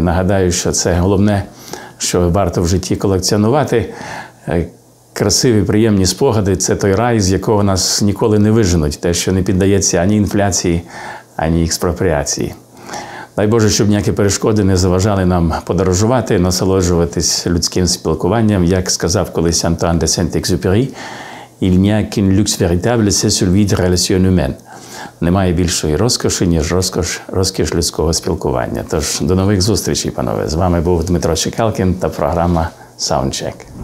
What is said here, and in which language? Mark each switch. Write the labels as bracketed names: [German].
[Ukrainian] Нагадаю, що це головне, що варто в житті колекціонувати. Красиві, приємні спогади – це той рай, з якого нас ніколи не виженуть. Те, що не піддається ані інфляції, ані експропріації. Дай Боже, щоб ніякі перешкоди не заважали нам подорожувати, насолоджуватись людським спілкуванням. Як сказав колись [French] Антуан де Сент-Екзюпері, «Il n'y a qu'un luxe véritable, c'est celui de relation humaine». [Ukrainian] Немає більшої розкоші, ніж розкіш людського спілкування. Тож, до нових зустрічей, панове. З вами був Дмитро Чекалкін та програма «Саундчек».